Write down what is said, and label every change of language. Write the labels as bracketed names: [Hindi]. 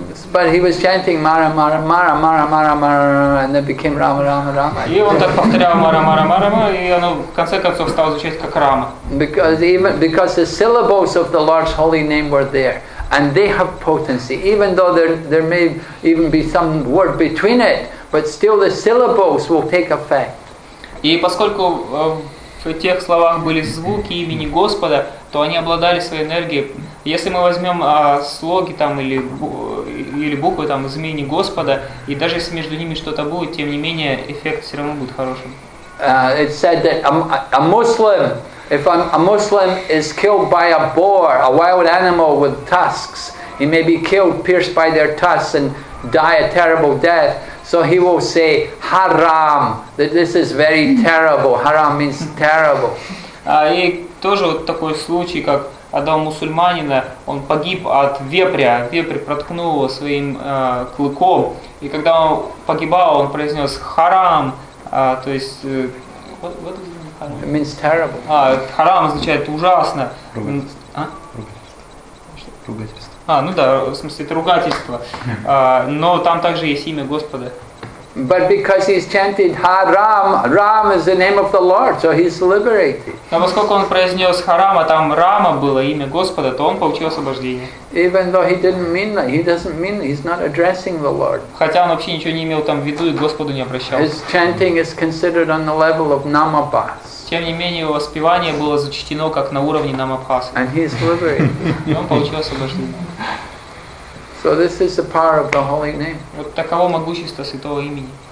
[English] But he was chanting Mara, Mara, Mara, Mara, Mara, Mara, and then became Rama, Rama, Rama. [Russian] И он так повторял Мара, Мара, Мара, Мара, и оно в конце концов стало звучать как Рама. [English] Because the syllables of the Lord's holy name were there, and they have potency, even though there may even be some word between it, but still the syllables will take effect. [Russian] И поскольку в тех словах были звуки имени Господа, то они обладали своей энергией. Если мы возьмем слоги там или буквы там из имени Господа, и даже если между ними что-то будет, тем не менее эффект все равно будет хорошим. [English] It said that a Muslim, if a Muslim is killed by a boar, a wild animal with tusks, he may be killed, pierced by their tusks, and die a terrible death. So he will say haram, that this is very terrible. Haram means terrible. [Russian] И тоже вот такой случай, как одного мусульманина, он погиб от вепря, вепрь проткнул его своим клыком, и когда он погибал, он произнес харам, то есть [English] what does it mean, haram? It means terrible. [Russian] Харам означает ужасно. Ругательство. Ну да, в смысле это ругательство. Но там также есть имя Господа. [English] But because he's chanted Haram, Ram is the name of the Lord, so he's liberated. [Russian] Но поскольку он произнес Харам, а там Рама было имя Господа, то он получил освобождение. [English] Even though he didn't mean that, he doesn't mean that, he's not addressing the Lord. [Russian] Хотя он вообще ничего не имел там в виду и к Господу не обращался. [English] His chanting is considered on the level of Namabhas. [Russian] Тем не менее, его воспевание было зачтено как на уровне Намабхасы. [English] And he's liberated. [Russian] И он получил освобождение. [English] So this is the power of the holy name. [Russian] Вот таково могущество святого имени.